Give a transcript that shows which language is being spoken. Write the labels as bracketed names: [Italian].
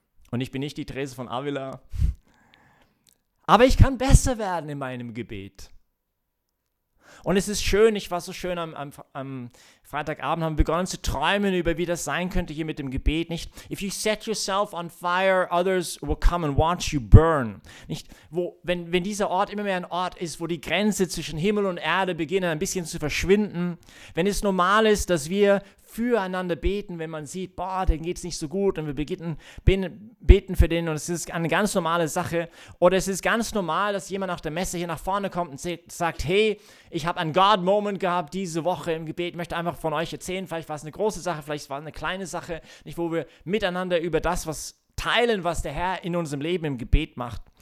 [German] Und ich bin nicht die Therese von Avila. Aber ich kann besser werden in meinem Gebet. Und es ist schön, ich war so schön am Freitagabend, haben begonnen zu träumen über, wie das sein könnte hier mit dem Gebet, nicht? [English] If you set yourself on fire, others will come and watch you burn. [German] Nicht? Wenn dieser Ort immer mehr ein Ort ist, wo die Grenze zwischen Himmel und Erde beginnen, ein bisschen zu verschwinden. Wenn es normal ist, dass wir füreinander beten, wenn man sieht, boah, denen geht es nicht so gut und wir beten für den und es ist eine ganz normale Sache. Oder es ist ganz normal, dass jemand nach der Messe hier nach vorne kommt und sagt, hey, ich habe einen God-Moment gehabt diese Woche im Gebet, möchte einfach von euch erzählen, vielleicht war es eine große Sache, vielleicht war es eine kleine Sache, nicht, wo wir miteinander über das was teilen, was der Herr in unserem Leben im Gebet macht.